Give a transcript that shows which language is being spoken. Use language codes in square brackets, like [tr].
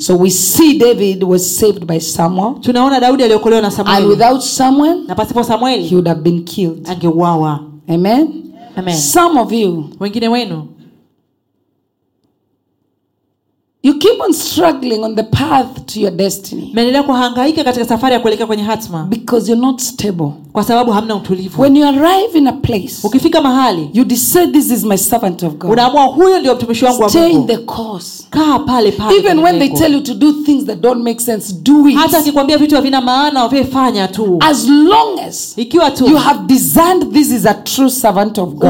[en] So we see David was saved by Samuel. [sw] Tunaona Daudi aliokolewa na Samuel. [en] And without Samuel, [sw] na pasipo Samuel, [en] he would have been killed. [sw] Angeuawa. [en] Amen. [sw] Amen. [en] Some of you, [sw] wengine wenu, [en] you keep on struggling on the path to your destiny. [sw] Mnaendelea kuhangaika katika safari ya kuelekea kwenye hatima. [en] Because you're not stable. [sw] Kwa sababu hamna utulivu. [en] When you arrive in a place, [sw] ukifika mahali, [en] you decide this is my servant of God. [sw] Unaamua huyo ndio mtumishi wangu wa Mungu. [en] Stay in the course. [sw] Kaa pale pale. [en] Even when they tell you to do things that don't make sense, do it. [sw] Hata akikwambia vitu havina maana, wewe fanya tu. [en] As long as [sw] ikiwa tu [en] you have discerned this is a true servant of God.